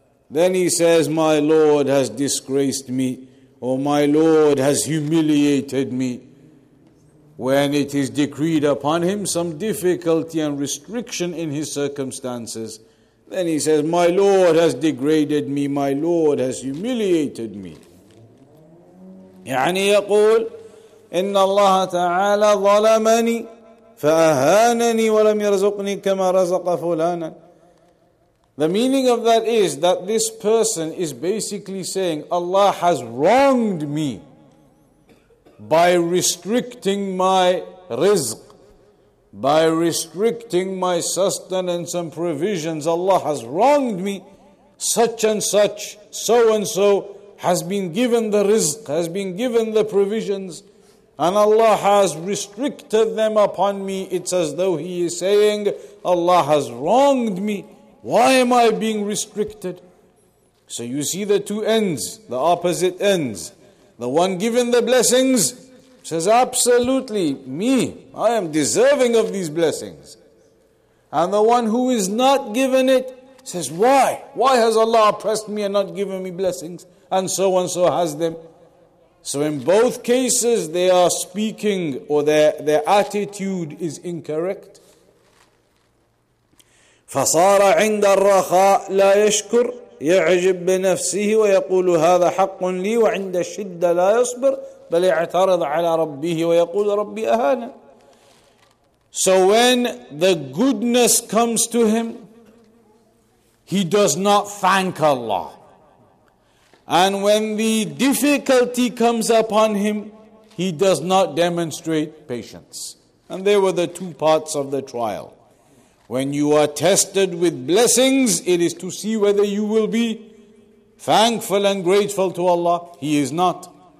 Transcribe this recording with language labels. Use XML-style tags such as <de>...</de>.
<en>Then he says, my Lord has disgraced me. Oh, my Lord has humiliated me. When it is decreed upon him some difficulty and restriction in his circumstances, then he says, my Lord has degraded me, my Lord has humiliated me.</en> <ar>يعني يقول إن الله تعالى ظلمني فأهانني ولم يرزقني كما رزق فلانا.</ar> <en>The meaning of that is that this person is basically saying, Allah has wronged me by restricting my rizq, by restricting my sustenance and provisions. Allah has wronged me. Such and such, so and so has been given the rizq, has been given the provisions, and Allah has restricted them upon me. It's as though He is saying, Allah has wronged me. Why am I being restricted? So you see the two ends, the opposite ends. The one given the blessings says, absolutely, me, I am deserving of these blessings. And the one who is not given it says, why? Why has Allah oppressed me and not given me blessings? And so has them. So in both cases, they are speaking or their attitude is incorrect.</en> <ar>فصار عند الرخاء لا يشكر يعجب بنفسه ويقول هذا حق لي وعند الشدة لا يصبر بل يعترض على ربه ويقول ربي أهانا.</ar> <en>So when the goodness comes to him, he does not thank Allah. And when the difficulty comes upon him, he does not demonstrate patience. And they were the two parts of the trial. When you are tested with blessings, it is to see whether you will be thankful and grateful to Allah. He is not.</en>